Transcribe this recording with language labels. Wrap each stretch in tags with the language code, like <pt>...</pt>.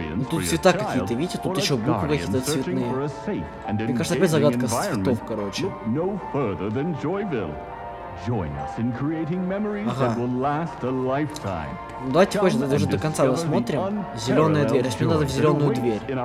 <ru>Тут цвета какие-то, видите, тут еще буквы какие-то цветные. Мне кажется, опять загадка с цветов, короче.</ru> <en>No further than Joyville. Join us in creating memories that will last a lifetime.</en> <ru>Давайте хоть даже до конца досмотрим. Зеленая дверь. Мне надо в зеленую дверь.</ru>